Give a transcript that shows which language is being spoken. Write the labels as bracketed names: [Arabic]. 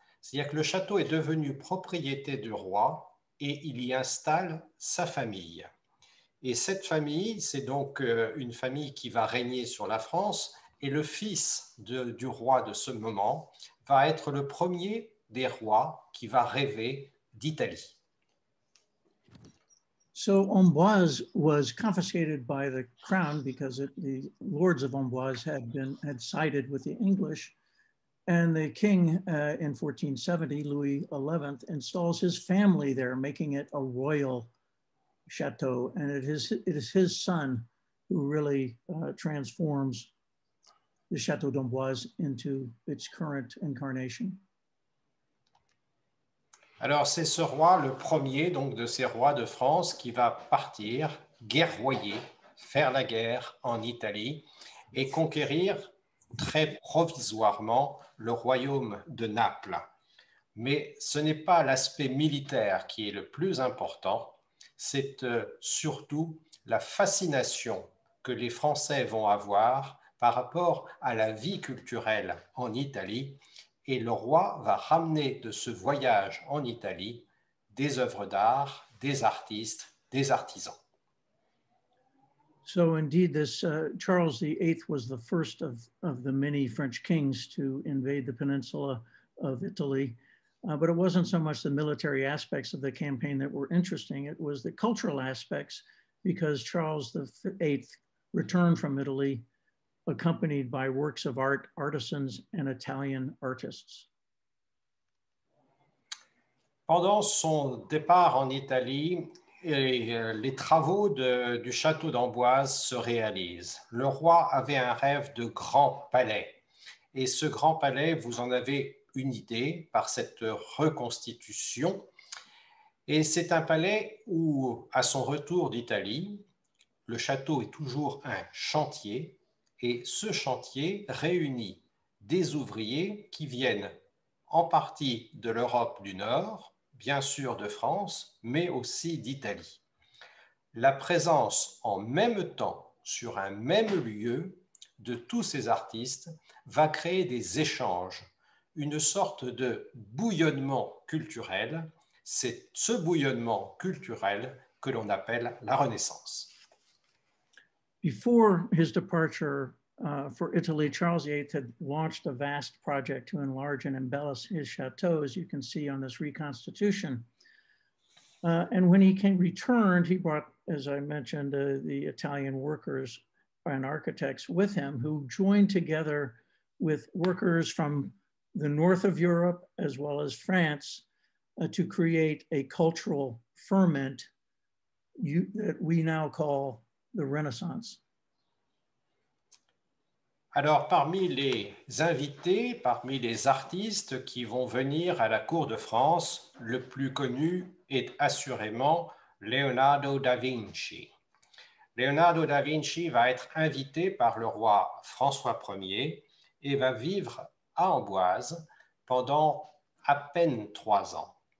[French] C'est-à-dire que le château est devenu propriété du roi et il y installe sa famille. Et cette famille, c'est donc une famille qui va régner sur la France. Et le fils du roi de ce moment va être le premier des rois qui va rêver d'Italie. [English] So Amboise was confiscated by the crown because the lords of Amboise had sided with the English. And the king in 1470, Louis XI, installs his family there, making it a royal chateau. And it is his son who really transforms the Château d'Amboise into its current incarnation. [French] Alors c'est ce roi, le premier donc de ces rois de France, qui va partir guerroyer, faire la guerre en Italie et conquérir très provisoirement le royaume de Naples. Mais ce n'est pas l'aspect militaire qui est le plus important, c'est surtout la fascination que les Français vont avoir par rapport à la vie culturelle en Italie, et le roi va ramener de ce voyage en Italie des œuvres d'art, des artistes, des artisans. [English] So indeed, this Charles VIII was the first of the many French kings to invade the peninsula of Italy. But it wasn't so much the military aspects of the campaign that were interesting. It was the cultural aspects, because Charles VIII returned from Italy accompanied by works of art, artisans, and Italian artists. [French] Pendant son départ en Italie, les travaux du château d'Amboise se réalisent. Le roi avait un rêve de grand palais. Et ce grand palais, vous en avez une idée par cette reconstitution. Et c'est un palais où, à son retour d'Italie, le château est toujours un chantier. Et ce chantier réunit des ouvriers qui viennent en partie de l'Europe du Nord, bien sûr de France, mais aussi d'Italie. La présence en même temps, sur un même lieu, de tous ces artistes va créer des échanges, une sorte de bouillonnement culturel. C'est ce bouillonnement culturel que l'on appelle la Renaissance. [English] Before his departure for Italy, Charles VIII had launched a vast project to enlarge and embellish his chateau, as you can see on this reconstitution. And when he returned, he brought, as I mentioned, the Italian workers and architects with him, who joined together with workers from the north of Europe, as well as France, to create a cultural ferment that we now call the Renaissance. [French] Alors, parmi les invités, parmi les artistes qui vont venir à la cour de France, le plus connu est assurément Leonardo da Vinci. Leonardo da Vinci va être invité par le roi François Ier et va vivre à Amboise pendant à peine 3 ans.